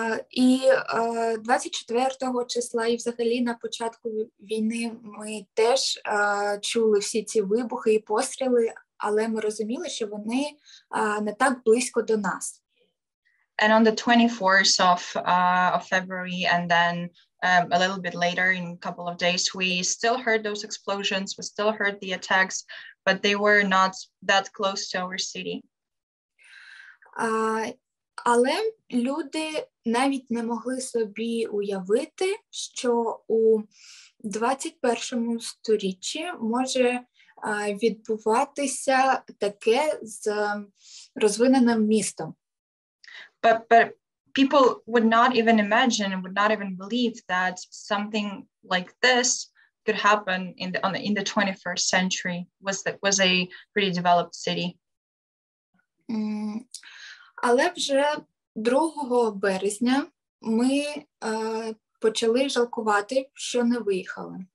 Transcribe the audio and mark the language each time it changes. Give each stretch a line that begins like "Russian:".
Ukrainian: І 24-го числа і взагалі на початку війни ми теж чули всі ці вибухи і постріли, але ми розуміли, що вони не так близько до нас.
English: And on the 24th of February, and then a little bit later in a couple of days, we still heard those explosions, we still heard the attacks, but they were not that close to our city.
Ukrainian: Але люди навіть не могли собі уявити, що у 21-му сторіччі може відбуватися таке з розвиненим містом.
English: But people would not even imagine, would not even believe that something like this could happen in the 21st century was a pretty developed city.
Ukrainian: Але вже 2 березня ми почали жалкувати, що не виїхали.